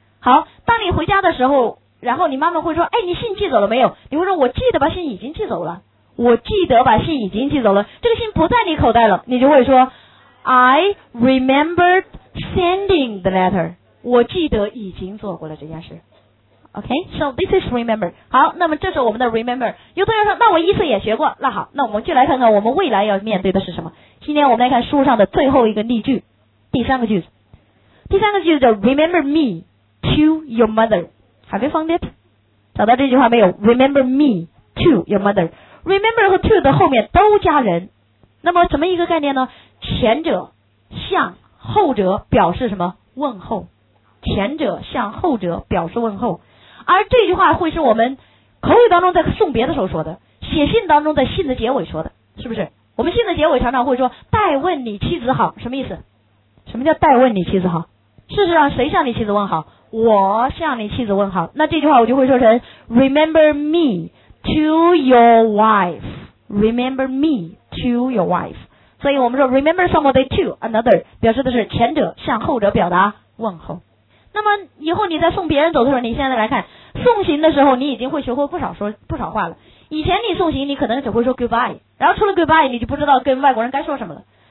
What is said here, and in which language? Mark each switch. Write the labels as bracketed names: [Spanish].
[Chinese] 好，当你回家的时候，然后你妈妈会说，哎，你信寄走了没有，你会说我记得把信已经寄走了，我记得把信已经寄走了，这个信不在你口袋了，你就会说 [English] I remembered sending the letter， [Chinese] 我记得已经做过了这件事。 [English] OK, so this is remember. [Chinese] 好，那么这是我们的 [English] remember. [Chinese] 有同学说，那我一次也学过。那好，那我们就来看看我们未来要面对的是什么。今天我们来看书上的最后一个例句，第三个句子。第三个句子叫 [English] remember me to your mother. Have you found it? [Chinese] 找到这句话没有？ [English] Remember me to your mother. [Chinese] Remember 和 to 的后面都加人。那么什么一个概念呢？前者向后者表示什么？问候。前者向后者表示问候，而这句话会是我们口语当中在送别的时候说的，写信当中在信的结尾说的，是不是？我们信的结尾常常会说代问你妻子好，什么意思？什么叫代问你妻子好？事实上谁向你妻子问好？我向你妻子问好。那这句话我就会说成 [English] remember me to your wife， [Chinese] remember me to your wife。所以我们说 [English] remember somebody to another， [Chinese] 表示的是前者向后者表达问候。那么以后你在送别人走的时候，你现在来看送行的时候，你已经会学会不少话了。以前你送行你可能只会说 goodbye， 然后除了 goodbye 你就不知道跟外国人该说什么了。